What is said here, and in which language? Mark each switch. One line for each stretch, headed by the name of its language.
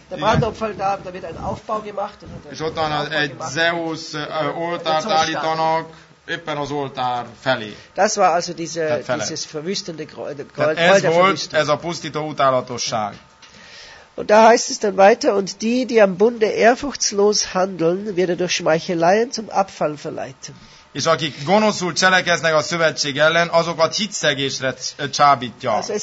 German: Der Brandopfertag, da wird ein Aufbau gemacht.
Hungarian: És ott egy Zeus oltárt állítanak. Éppen az oltár felé.
German: Das war also dieses verwüstende Gold.
Hungarian: Ez volt ez a pusztító utálatosság.
German: Und da heißt es dann weiter, und die am Bunde ehrfurchtslos handeln, wird er durch Schmeicheleien zum Abfall verleiten.
Hungarian: és akik gonoszul cselekeznek a szövetség ellen, azokat hitszegésre csábítja.